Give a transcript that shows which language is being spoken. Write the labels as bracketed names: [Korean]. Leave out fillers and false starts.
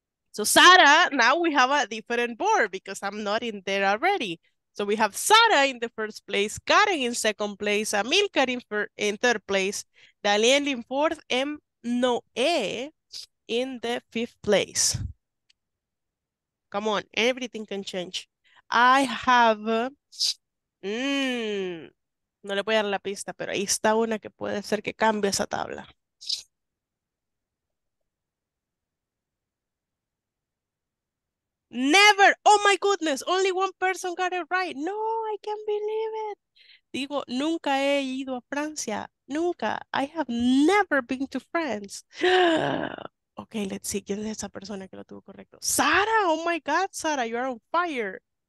[English] So Sara, now we have a different board because I'm not in there already. So we have Sara in the first place, Karen in second place, Amilcar in third place, Daniel in fourth, and Noé in the fifth place. Come on, everything can change. I have, [Spanish] no le voy a dar la pista, pero ahí está una que puede ser que cambie esa tabla. [English] Never. Oh my goodness. Only one person got it right. No, I can't believe it. [Spanish] Digo, nunca he ido a Francia. Nunca. [English] I have never been to France. Okay, let's see. [Spanish] ¿Quién es esa persona que lo tuvo correcto? Sara. [English] Oh my God, Sara, you are on fire.